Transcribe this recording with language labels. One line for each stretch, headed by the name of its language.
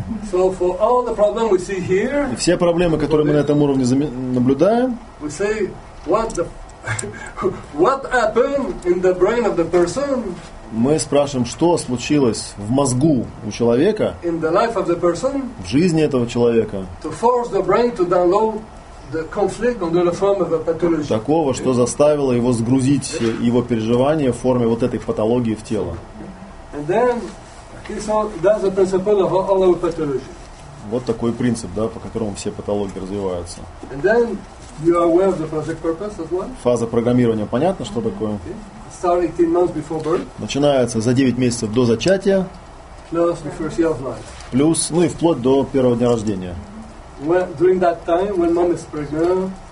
English: So for all the problems we see here,
Russian: и все проблемы, которые мы на этом уровне наблюдаем,
English: we say what happened in the brain of the person.
Russian: Мы спрашиваем, что случилось в мозгу у человека,
English: in the life of the person,
Russian: в жизни этого человека,
English: to force the brain to download the conflict under the form of a pathology.
Russian: Такого, что заставило его сгрузить его переживания в форме вот этой патологии в тело.
English: And then, that's the principle of all our pathology.
Russian: Вот такой принцип, да, по которому все патологии развиваются.
English: And then you are aware of the project purpose as well.
Russian: Фаза программирования, понятно, что такое?
English: Okay. Start 18 months before birth.
Russian: Начинается за 9 месяцев до зачатия.
English: Plus the first year of life.
Russian: Плюс, ну и вплоть до первого дня рождения.
English: When, during that time, when mom is pregnant.